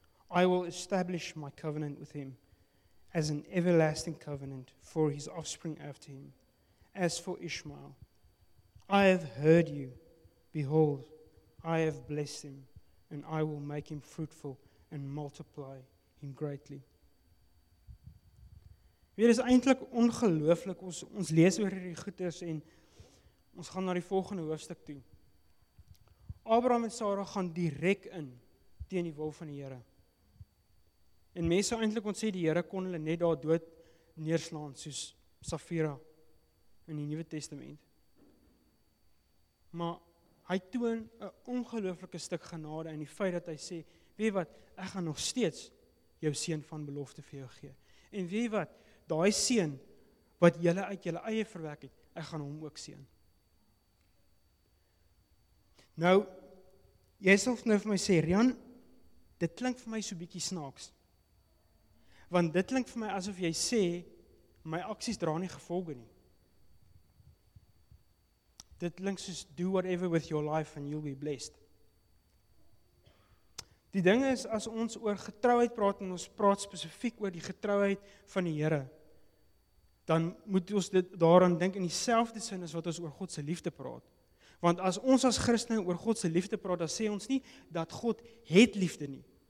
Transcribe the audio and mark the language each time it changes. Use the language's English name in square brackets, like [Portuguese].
[English] I will establish my covenant with him as an everlasting covenant for his offspring after him. As for Ishmael, I have heard you. Behold, I have blessed him, and I will make him fruitful and multiply him greatly. [Afrikaans] Dit is eintlik ongelooflik, ons lees oor hierdie goeders en ons gaan na die volgende hoofstuk toe. Abraham en Sara gaan direk in teen die wil van die Here. En mense sou eintlik ons sê die Here kon hulle net daar dood neerslaan soos Safira in die Nuwe Testament. Maar hy toon 'n ongelooflike stuk genade in die feit dat hy sê, "Weet jy wat, ek gaan nog steeds jou seun van belofte vir jou gee." En weet jy wat, daai seun wat julle uit julle eie verwek het, ek gaan hom ook seën. Nou, jy sal nou vir my sê, Rian, dit klink vir my so bietjie snaaks. Want dit klink vir my asof jy sê, my aksies dra nie gevolge nie. Dit klink soos, [English] do whatever with your life and you'll be blessed. [Afrikaans] Die ding is, as ons oor getrouheid praat, en ons praat spesifiek oor die getrouheid van die Here, dan moet ons dit daaraan dink in dieselfde sin as wat ons oor God se liefde praat. Want as ons as Christene oor God se liefde praat, dan sê ons nie dat God het liefde nie.